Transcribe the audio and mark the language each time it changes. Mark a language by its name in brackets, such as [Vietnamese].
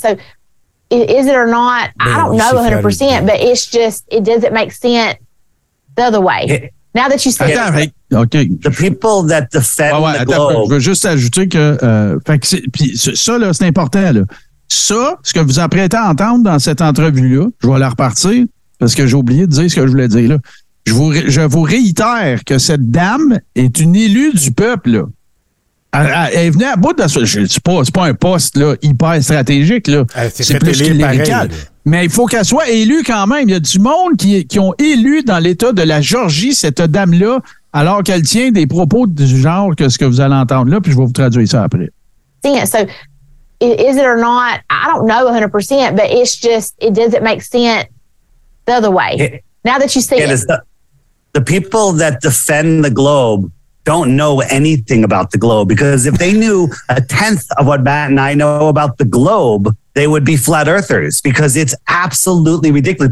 [English] So, is it or not, ben, I don't know 100%, but it's just, it doesn't make sense the other way. Now that you say [French] attends, [English] it. Okay. The people that defend the globe. [French] Je veux juste ajouter que, là, c'est important, là. Ça, ce que vous apprêtez à entendre dans cette entrevue-là, je vais la repartir, parce que j'ai oublié de dire ce que je voulais dire là. Je vous réitère que cette dame est une élue du peuple. Là. Elle est venue à bout de... C'est pas un poste là, hyper stratégique. Là. C'est plus clérical. Mais il faut qu'elle soit élue quand même. Il y a du monde qui ont élu dans l'État de la Géorgie cette dame-là alors qu'elle tient des propos du genre que ce que vous allez entendre là, puis je vais vous traduire ça après. [English] So, is it or not? I don't know 100%, but it's just, it doesn't make sense the other way. Now that you see it. The people that defend the globe don't know anything about the globe, because if they knew a tenth of what Matt and I know about the globe, they would be flat earthers, because it's absolutely ridiculous.